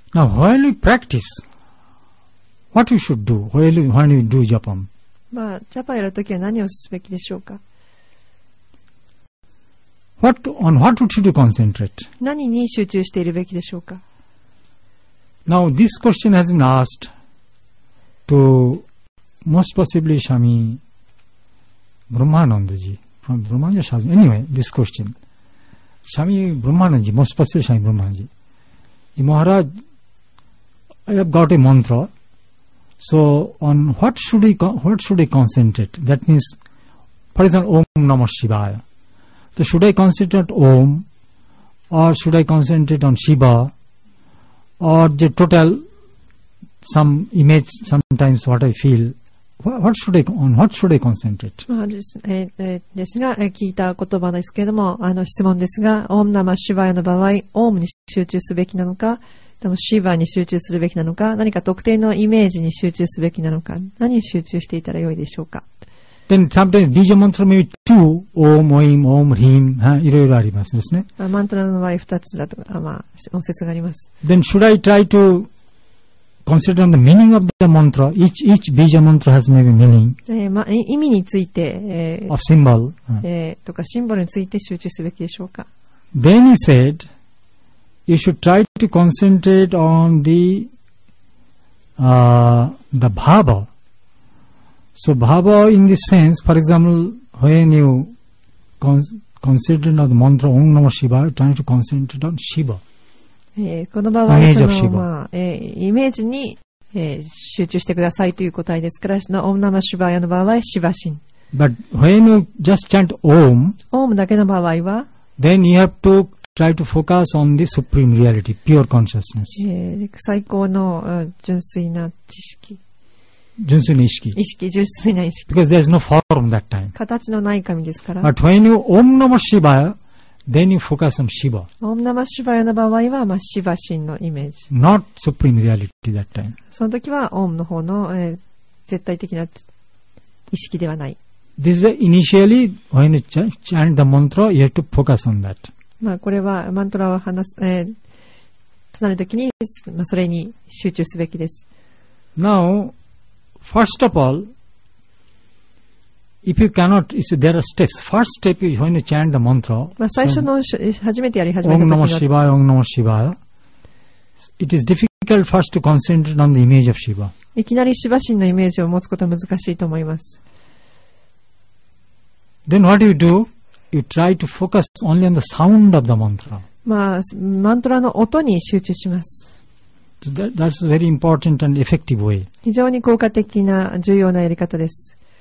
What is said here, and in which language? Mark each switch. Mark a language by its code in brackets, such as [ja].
[en] Now, while you practice, what you should do when you do japam? [ja] まあ、ジャパンやるときは何をすべきでしょうか? [en] On what should you concentrate? [ja] 何に集中しているべきでしょうか? [en] Now, this question has been asked to most possibly Swami Brahmanandaji from Brahmanja Shazan. Anyway, this question. Swami Brahmanandaji, most possibly Swami Brahmanandaji. Maharaj,I have got a mantra. So, on what should I concentrate? That means, for example, Om Namah Shivaya. So, should I concentrate on Om? Or should I concentrate on Shiva? Or the total, some image, sometimes what I feel? What should I concentrate? [ja] ですが、聞いた言葉ですけれども、質問ですが、Om Namah Shivaya の場合、Om に集中すべきなのか、でもシーバーに集中するべきなのか、何か特定のイメージに集中すべきなのか、何に集中していたらよいでしょうか。 [en] Then sometimes Vijaya mantra may be two, Om, Oim, Om, Rim, [ja] いろいろありますですね。マントラの場合2つだとか、まあ、音節があります。 [en] Then should I try to consider the meaning of the mantra. Each bija mantra has maybe meaning. [ja] ま、意味について、 [en] or symbol. [ja] とかシンボルについて集中すべきでしょうか。 [en] Then he said, you should try to concentrate on the bhava. So bhava in this sense, for example, when you concentrate on the mantra Om Namah Shivaya, you're trying to concentrate on Shiva. [ja] この場合はその、まあイメージに、集中してくださいという答えですから、オムナマシュバヤの場合はシバシン。 [en] But when you just chant Om, [ja] Om だけの場合は、 [en] then you have to try to focus on the supreme reality, pure consciousness. [ja] 最高の純粋な知識。純粋な意識。意識、純粋な意識。 [en] Because there is no form that time. [ja] 形のない神ですから。 [en] But when you Om Namah Shivaya,Then you focus on Shiva. [ja] Om Namah Shivaya の場合は、まあ、シバシンのイメージ。 [en] Not supreme reality that time. [ja] その時は、Om の方の、絶対的な意識ではない。 [en] This is initially when you chant the mantra, you have to focus on that. [ja] まあ、これは、マントラを話す、唱える時に、まあ、それに集中すべきです。 [en] Now, first of all,If you cannot, there are steps. First step is when you chant the mantra. [ja] まあ最初の初めてやり始めた時には、 [en] Om Namah Shivaya, Om Namah Shivaya. It is difficult first to concentrate on the image of Shiva. [ja] いきなりシバ神のイメージを持つことは難しいと思います。 [en] Then what do? You try to focus only on the sound of the mantra. [ja] まあマントラの音に集中します。 [en] That's a very important and effective way. [ja] 非常に効果的な重要なやり方です。